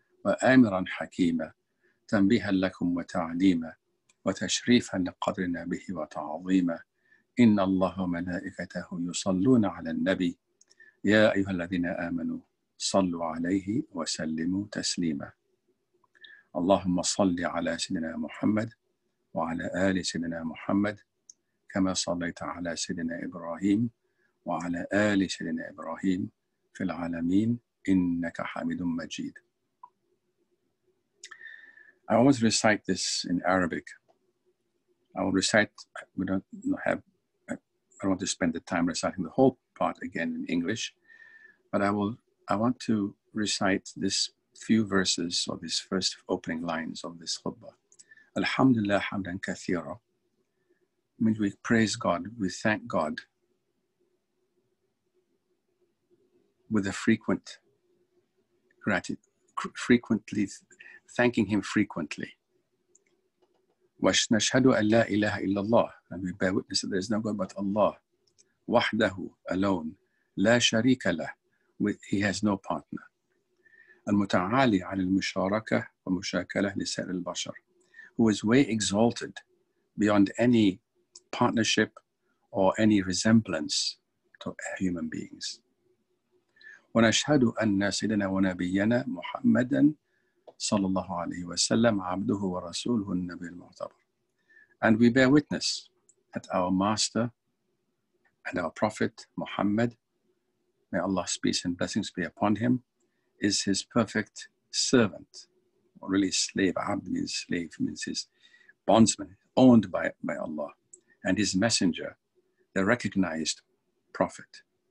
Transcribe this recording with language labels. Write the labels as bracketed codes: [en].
[ar] وآمرا حكيما تنبيها لكم وتعليما وتشريفا لقدرنا به وتعظيما إن الله وملائكته يصلون على النبي يا أيها الذين آمنوا صلوا عليه وسلموا تسليما اللهم صل على سيدنا محمد وعلى آل سيدنا محمد كما صليت على سيدنا إبراهيم وعلى آل سيدنا إبراهيم في العالمين إنك حميد مجيد. [en] I always recite this in Arabic. I will recite, I don't want to spend the time reciting the whole part again in English, but I want to recite this few verses or this first opening lines of this khutbah. [ar] Alhamdulillah hamdan kathira [en] means we praise God, we thank God with a frequent gratitude, frequently, thanking him frequently. [ar] وَشْنَشْهَدُ أَنْ لَا إِلَهَ إِلَّا اللَّهِ. [en] And we bear witness that there is no God but Allah. وَحْدَهُ alone. [ar] لَا شَرِيكَ لَهُ. [en] He has no partner. [ar] الْمُتَعَالِي عَلِ الْمُشَارَكَةِ وَمُشَاكَلَةِ لِسَائِرِ الْبَشَرِ. [en] Who is way exalted beyond any partnership or any resemblance to human beings. [ar] وَنَشْهَدُ أَنَّ سَيْدَنَا وَنَبِيَّنَا مُحَمَّدًا صلى الله عليه وسلم عبده ورسوله النبي المعتبر. [en] And we bear witness that our master and our prophet Muhammad, may Allah's peace and blessings be upon him, is his perfect servant, or really slave. Abd means slave, means his bondsman, owned by Allah, and his messenger, the recognized prophet.